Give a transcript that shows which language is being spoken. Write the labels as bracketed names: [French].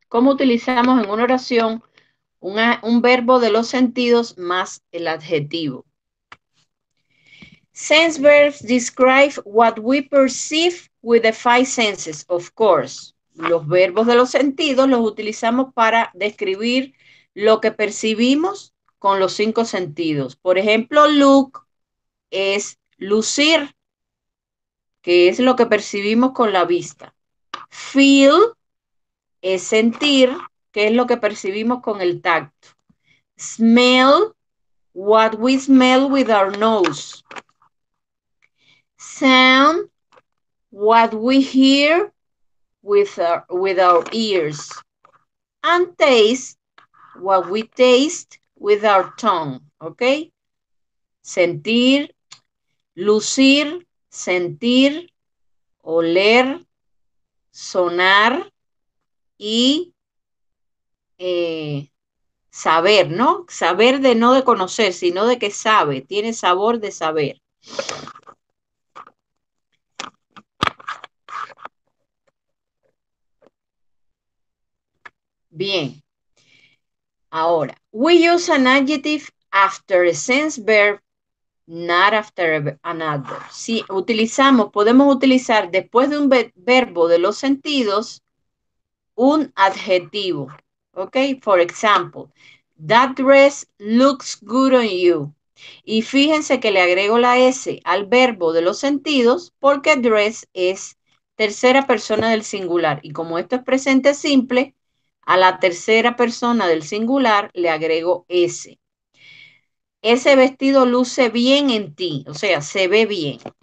[Spanish] ¿Cómo utilizamos en una oración un verbo de los sentidos más el adjetivo? [English] Sense verbs describe what we perceive with the five senses, of course. [Spanish] Los verbos de los sentidos los utilizamos para describir lo que percibimos con los cinco sentidos. Por ejemplo, look es lucir, que es lo que percibimos con la vista. Feel es sentir, que es lo que percibimos con el tacto. [English] Smell, what we smell with our nose. Sound, what we hear with our ears, and taste what we taste with our tongue, okay? [Spanish] Sentir, lucir, sentir, oler, sonar y saber, ¿no? Saber de no de conocer, sino de que sabe, tiene sabor de saber. Bien, ahora, [English] we use an adjective after a sense verb, not after an adverb. [Spanish] Si utilizamos, podemos utilizar después de un verbo de los sentidos, un adjetivo. [English] Ok, for example, that dress looks good on you. [Spanish] Y fíjense que le agrego la S al verbo de los sentidos porque dress es tercera persona del singular. Y como esto es presente simple, A la tercera persona del singular le agrego ese. Ese vestido luce bien en ti, o sea, se ve bien.